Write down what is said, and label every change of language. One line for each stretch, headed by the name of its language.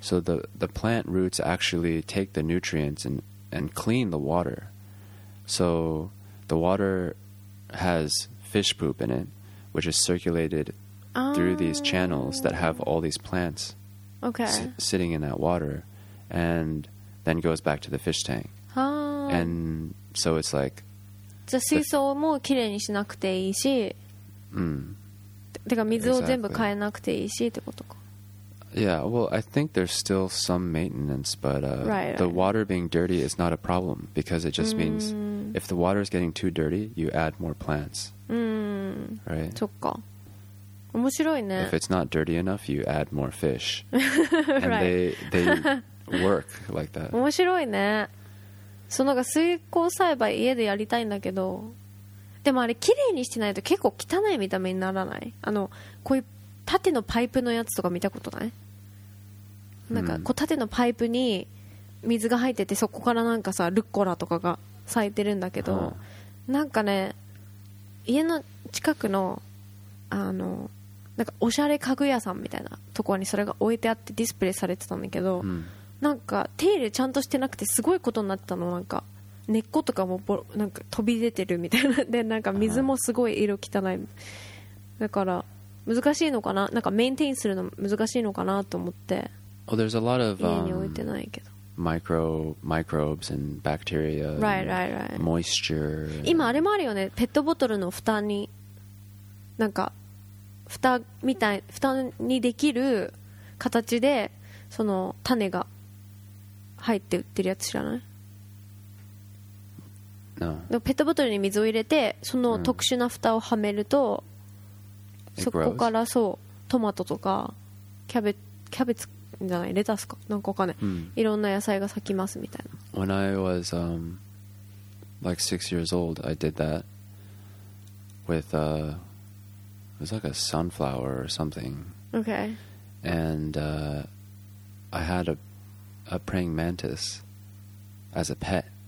English: So the plant roots actually take the nutrients and clean the water. So the water has fish poop in it, which is circulated through these channels that have all these plants sitting in that water, and then goes back to the fish tank. And so it's like...
Japanese: じゃあ水槽もきれいにしなくていいし、てか水を全部変えなくていいしってことか。
English: Yeah, well, I think there's still some maintenance, but the water being dirty is not a problem, because it just means if the water is getting too dirty, you add more plants. Right?
Japanese: そっか。面白いね。
English: If it's not dirty enough, you add more fish. And they work like that.
Japanese: 面白いね。そのが水耕栽培家でやりたいんだけど、でもあれきれいにしてないと結構汚い見た目にならない？あの、こういう縦のパイプのやつとか見たことない？なんかこう縦のパイプに水が入ってて、そこからなんかさルッコラとかが咲いてるんだけど、なんかね家の近くのあのなんかおしゃれ家具屋さんみたいなところにそれが置いてあってディスプレイされてたんだけど、なんか手入れちゃんとしてなくてすごいことになったの。なんか根っことかもなんか飛び出てるみたいな。でなんか水もすごい色汚い。だから難しいのかな、なんかメンテインするの難しいのかなと思って。
English: Well, there's a lot of microbes and bacteria. Right. Moisture.
Japanese: 今あれもあるよね、ペットボトルの蓋に、なんか蓋みたい、蓋にできる形でその種が入って売ってるやつ知らない
English: ？No.
Japanese: ペットボトルに水を入れてその特殊な蓋をはめると。そこからそうトマトとかキャベツじゃないレタスかなんかかね、いろんな野菜が咲きますみたいな。
English: When I was like 6 years old, I did that with It was like a sunflower or something. Okay. And I had a praying mantis as a pet.